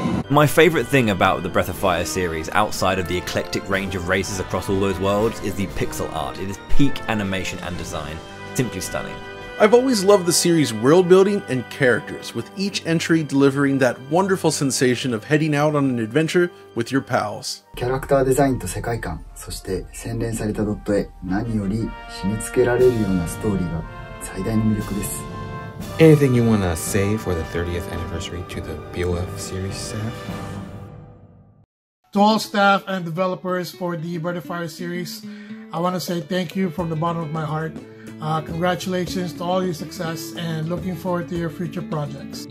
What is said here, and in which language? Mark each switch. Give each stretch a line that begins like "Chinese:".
English: My favorite thing about the Breath of Fire series, outside of the eclectic range of races across all those worlds, is the pixel art. It is peak animation and design. Simply stunning. I've always loved the series' world building and characters, with each entry delivering that wonderful sensation of heading out on an adventure with your pals.
Japanese: キャラクターデザインと世界観、そして洗練されたドット絵、何より締め付けられるようなストーリーが最大の魅力です。
English: Anything you wanna say for the 30th anniversary to the BOF series staff? To all staff and developers for the Breath of Fire series, I wanna say thank you from the bottom of my heart. Congratulations to all your success and looking forward to your future projects.